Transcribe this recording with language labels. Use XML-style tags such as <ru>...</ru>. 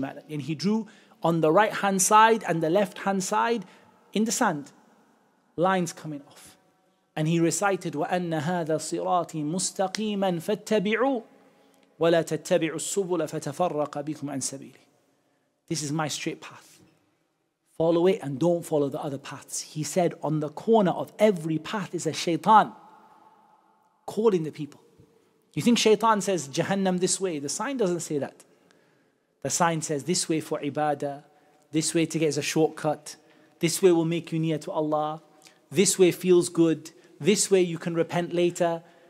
<en>And he drew on the right hand side and the left hand side in the sand, lines coming off. And he recited</en> <ar>وَأَنَّ هَذَا صِرَاطِي مُسْتَقِيمًا فَاتَّبِعُوا وَلَا تَتَّبِعُوا السُّبُلَ فَتَفَرَّقَ بِكُمْ عَنْ سَبِيلِ.</ar> <en>This is my straight path. Follow it and don't follow the other paths. He said, on the corner of every path is a shaitan calling the people. You think shaitan says, Jahannam this way? The sign doesn't say that. The sign says, this way for ibadah, this way to get as a shortcut, this way will make you near to Allah, this way feels good, this way you can repent later.</en>